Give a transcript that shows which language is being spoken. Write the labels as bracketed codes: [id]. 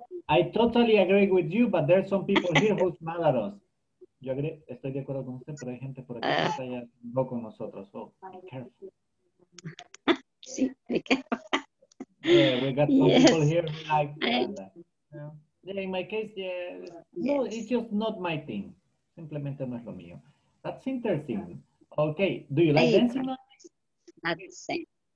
[en] I totally agree with you, but there are some people here who smile at us. [es] Yo agree, estoy de acuerdo con usted, pero hay gente por aquí que está ya no con nosotros. [en] So be careful. Sí, be careful. Yeah, we got some people here who like that. Yeah, in my case, yeah. No, it's just not my thing. [es] Simplemente no es lo mío. [en] That's interesting. Okay. Do you like dancing? Not the same.